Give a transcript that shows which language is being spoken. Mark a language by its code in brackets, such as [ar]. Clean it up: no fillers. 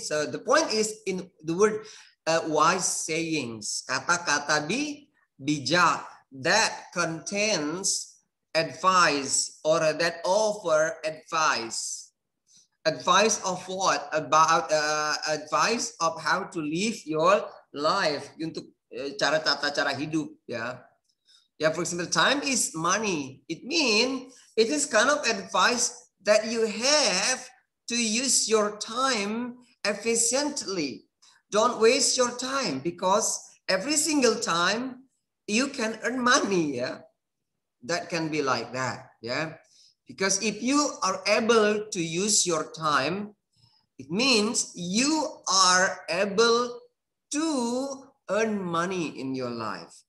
[en] So the point is in the word wise sayings, [id] kata-kata bijak, [en] that contains advice or that offer advice. Advice of what? About advice of how to live your life. [id] Untuk cara tata cara hidup, yeah. [en] Yeah, for example, time is money. It means it is kind of advice that you have to use your time efficiently. Don't waste your time because every single time you can earn money. Yeah, that can be like that. Yeah, because if you are able to use your time, it means you are able to earn money in your life.